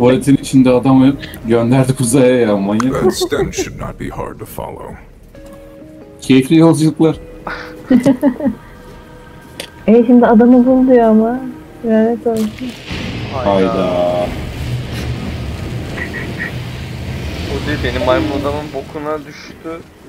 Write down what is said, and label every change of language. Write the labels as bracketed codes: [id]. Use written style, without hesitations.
[tr] Valetin içinde adamı gönderdik uzaya ya, manyak. [en] That stench should not be hard to follow. [tr] Keyifli yolculuklar. Şimdi adamı bul diyor ama. Lanet olsun. Hayda. Benim maymun adamın bokuna düştü.